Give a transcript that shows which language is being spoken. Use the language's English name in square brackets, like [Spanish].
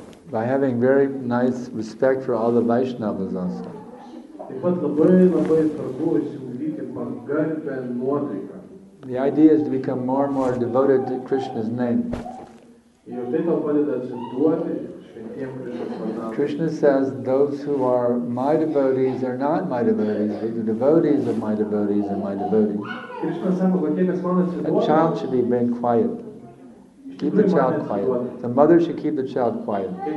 [English] By having very nice respect for all the Vaishnavas also. [Lithuanian] Taip pat labai svarbu išsiugdyti pagarbą ir nuotaiką. [English] The idea is to become more and more devoted to Krishna's name. [Lithuanian] Ir tai tau padeda atsiduoti. [English] Krishna says, those who are my devotees are not my devotees, but the devotees of my devotees are my devotees. A child should be made quiet. Keep the child quiet. The mother should keep the child quiet.